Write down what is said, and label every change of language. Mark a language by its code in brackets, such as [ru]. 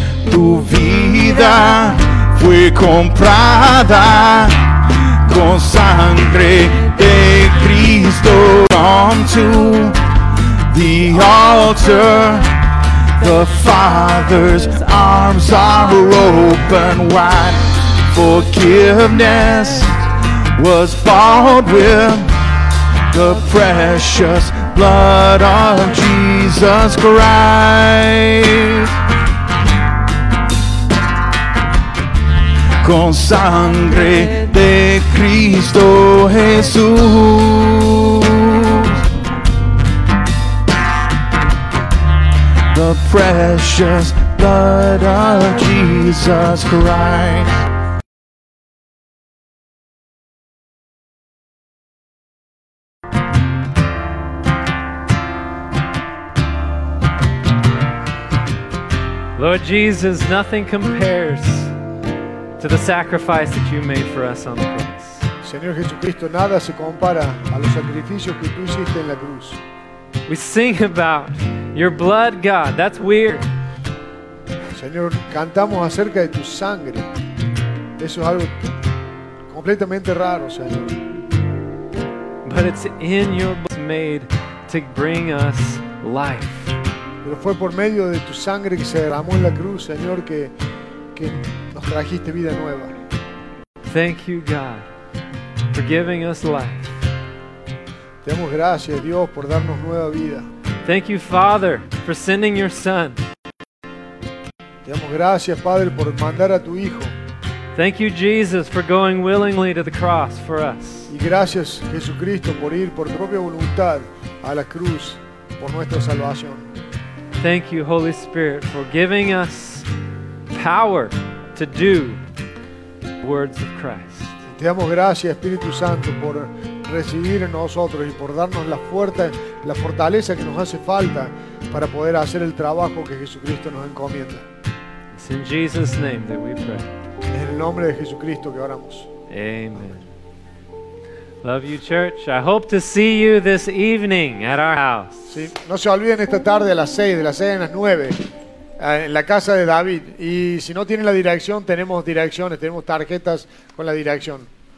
[es] Tu vida fue comprada con sangre de Cristo. [en] Come to the altar, the Father's arms are open wide. Forgiveness was bought with the precious blood of Jesus Christ. [es] Con sangre de Cristo Jesús, [en] the precious blood of Jesus Christ. Lord Jesus, nothing compares to the sacrifice that you made for us on the cross. [es] Señor Jesucristo, nada se compara a los sacrificios que tú hiciste en la cruz. [en] We sing about your blood, God. That's weird. [es] Señor, cantamos acerca de tu sangre. Eso es algo completamente raro, Señor. [en] But it's in your blood made to bring us life. [es] Pero fue por medio de tu sangre que se derramó en la cruz, Señor, que nos trajiste vida nueva. [en] Thank you, God, for giving us life. [es] Te damos gracias, Dios, por darnos nueva vida. [en] Thank you, Father, for sending your Son. [es] Te damos gracias, Padre, por mandar a tu Hijo. [en] Thank you, Jesus, for going willingly to the cross for us. [es] Y gracias, Jesucristo, por ir por propia voluntad a la cruz por nuestra salvación. [en] Thank you, Holy Spirit, for giving us power to do the words of Christ. [es] Te damos gracias, Espíritu Santo, por recibir en nosotros y por darnos la fortaleza que nos hace falta para poder hacer el trabajo que Jesucristo nos encomienda. [en] It's in Jesus' name that we pray. [es] En el nombre de Jesucristo que oramos. [en] Amen. Love you, church. I hope to see you this evening at our house. [es] Sí, no se olviden esta tarde a las 6, de las 6 a las 9, en la casa de David. Y si no tienen la dirección, tenemos direcciones, tenemos tarjetas con la dirección.